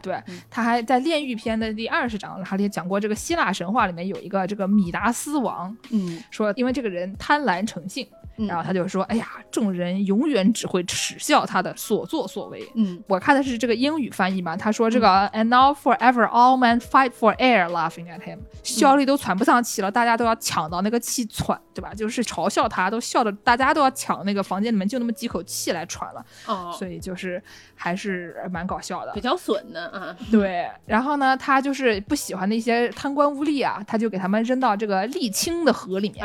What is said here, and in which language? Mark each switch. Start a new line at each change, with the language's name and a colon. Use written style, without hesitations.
Chinese: 对啊，他还在炼狱篇的第20章他也讲过这个希腊神话里面有一个这个米达斯王，嗯，说因为这个人贪婪成性、嗯、然后他就说哎呀众人永远只会耻笑他的所作所为。嗯，我看的是这个英语翻译嘛，他说这个、嗯、
English: And now forever all men fight for air laughing at him，
Chinese: 效力都喘不上气了、嗯、大家都要抢到那个气喘对吧，就是嘲笑他都笑的大家都要抢那个房间里面就那么几口气来喘了。哦，所以就是还是蛮搞笑的，比较损的啊。对，然后呢他就是不喜欢那些贪官污吏啊，他就给他们扔到这个沥青的河里面，